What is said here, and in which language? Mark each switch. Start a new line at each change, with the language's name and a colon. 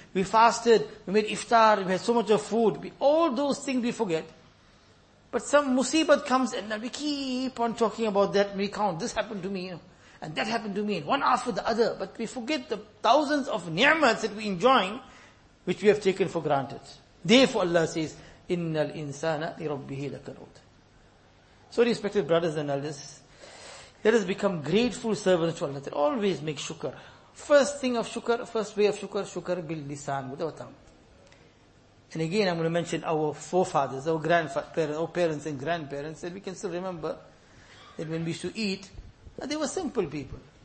English: We fasted. We made iftar. We had so much of food. All those things we forget. But some musibat comes and then we keep on talking about that. We count, this happened to me, you know, and that happened to me, one after the other. But we forget the thousands of ni'mats that we enjoying, which we have taken for granted. Therefore Allah says,
Arabic: إِنَّ الْإِنسَانَ لِرَبِّهِ لَكَرُوتٍ.
English: So respected brothers and elders, let us become grateful servants to Allah. Always make shukr. First thing of shukr, first way of shukr, shukr bil lisan, with our tongue. And again I'm going to mention our forefathers, our grandparents, our parents and grandparents, that we can still remember that when we used to eat, they were simple people.